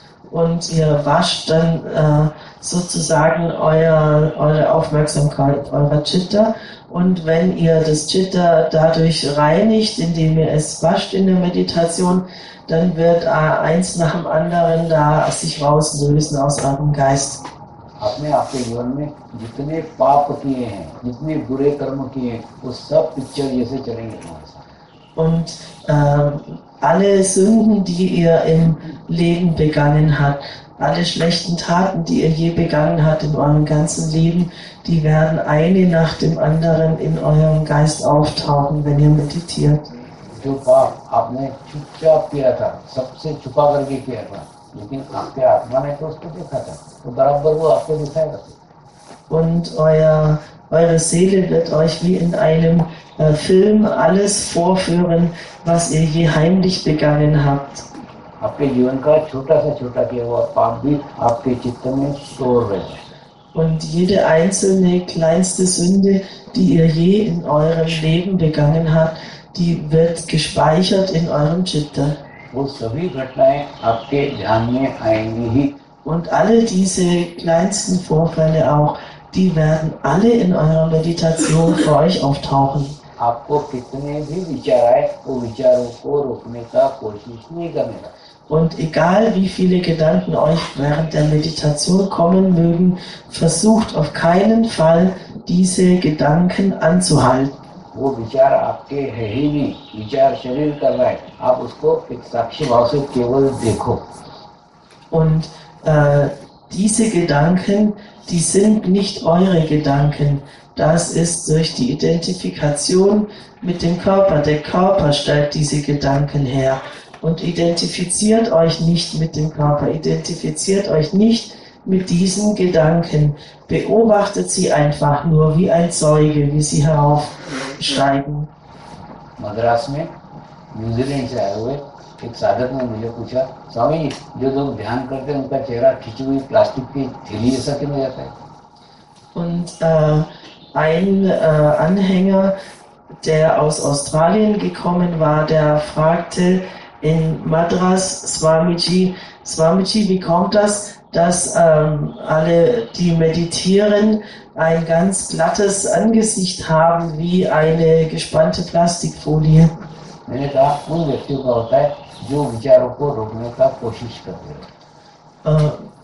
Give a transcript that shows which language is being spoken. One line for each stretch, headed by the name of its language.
German: Und ihr wascht dann sozusagen eure Aufmerksamkeit, eurer Chitta. Und wenn ihr das Chitta dadurch reinigt, indem ihr es wascht in der Meditation, dann wird eins nach dem anderen da sich rauslösen aus eurem Geist.
Hindi: आपने आपके जीवन में जितने पाप किए हैं, जितने बुरे कर्म किए हैं, वो सब पिक्चर जैसे चलेंगे तुम्हारे साथ।
German: Und alle Sünden, die ihr im Leben begangen habt, alle schlechten Taten, die ihr je begangen habt in eurem ganzen Leben, die werden eine nach dem anderen in eurem Geist auftauchen, wenn ihr meditiert.
Hindi: जो पाप आपने चुपचाप किया था, सबसे छुपा करके किया था, लेकिन आपके आत्मा ने तो उसको देखा था, तो बराबर वो आपको दिखाएगा।
German: Und eure Seele wird euch wie in einem Film alles vorführen, was ihr je heimlich begangen habt.
Hindi: आपके जीवन का छोटा सा छोटा किया हुआ पाप भी आपके चित्त में सो रहे हैं।
German: Und jede einzelne kleinste Sünde, die ihr je in eurem Leben begangen habt, die wird gespeichert in eurem Chitta.
Hindi: वो सभी घटनाएं आपके ध्यान में आएंगी ही।
German: Und alle diese kleinsten Vorfälle auch, die werden alle in eurer Meditation für euch auftauchen.
Hindi: आपको कितने भी विचार आए, वो विचारों को रोकने का कोशिश नहीं करेगा।
German: Und egal wie viele Gedanken euch während der Meditation kommen mögen, versucht auf keinen Fall diese Gedanken anzuhalten.
Hindi: वो विचार आपके है ही नहीं, विचार शरीर कर रहा है, आप उसको एक साक्षी भाव से केवल देखो।
German: Und diese Gedanken, die sind nicht eure Gedanken. Das ist durch die Identifikation mit dem Körper. Der Körper stellt diese Gedanken her. Und identifiziert euch nicht mit dem Körper, identifiziert euch nicht mit diesen Gedanken. Beobachtet sie einfach nur wie ein Zeuge, wie sie heraufsteigen.
Hindi: Madras में New Zealand से आए हुए एक साधक ने मुझे पूछा, स्वामी जो लोग ध्यान करते हैं उनका चेहरा खिंची हुई प्लास्टिक की थैली जैसा क्यों हो जाता है?
German: Und ein Anhänger, der aus Australien gekommen war, der fragte in Madras, Swamiji, Swamiji, wie kommt das, dass alle, die meditieren, ein ganz glattes Angesicht haben, wie eine gespannte Plastikfolie?
Hindi: मैंने कहा उन व्यक्तियों का होता है जो विचारों को रोकने का कोशिश करते हैं।